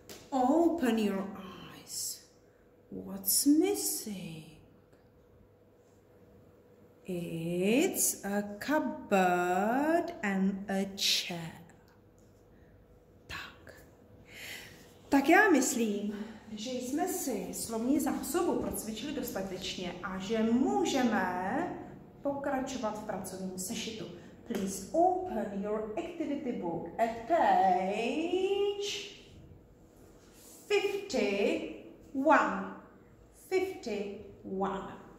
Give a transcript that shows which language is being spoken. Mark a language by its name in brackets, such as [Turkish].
[English] Open your eyes. What's missing? It's a cupboard and a chair. [Czech] Tak. Tak já myslím, že jsme si slovní zásobu procvičili dostatečně a že můžeme pokračovat v pracovním sešitu. [English] Please open your activity book at page 51.